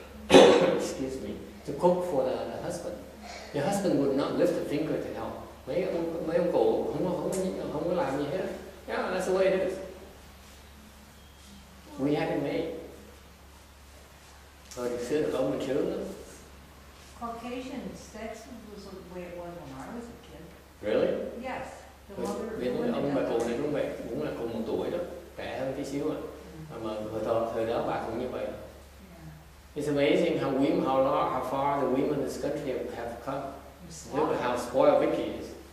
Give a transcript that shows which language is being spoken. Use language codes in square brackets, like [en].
[en] Excuse me. To cook for the husband. The husband would not lift a finger to help. [vi] Mấy ông cụ không có làm gì hết. [en] Yeah, that's the way it is. We had it made. [vi] Hồi xưa là có một trường lắm. [en] Caucasians, that's the way it was when I was a kid. Really? Yes. [vi] Ông bà cụ này cũng vậy, cũng là cùng một tuổi đó, trẻ hơn tí xíu à. Mà thời đó bà cũng như vậy. [en] Yeah. It's amazing how far the women in this country have come. Look at how spoiled Vicky is.